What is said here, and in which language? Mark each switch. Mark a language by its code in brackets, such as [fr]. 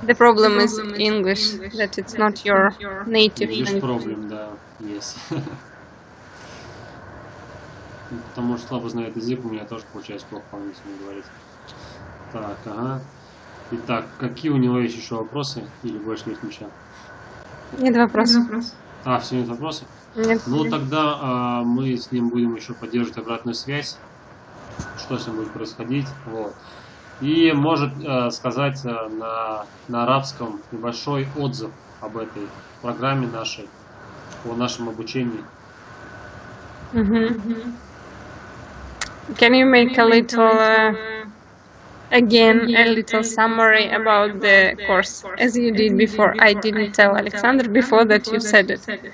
[en] The problem is English, that it's not your native language. English problem, да, yes. [ru] Потому что слабо знает язык, у меня тоже получается плохо по-английски говорить. Так, ага. Итак, какие у него есть еще вопросы? Или больше нет ничего? Нет вопросов. А, все нет вопросов? Нет. Ну, тогда мы с ним будем еще поддерживать обратную связь, что с ним будет происходить, вот. И может сказать на арабском небольшой отзыв об этой программе нашей, о нашем обучении. Mm-hmm. [en] Can you make a little, again, a little summary about the course, as you did before. I didn't tell Alexander before that you said it.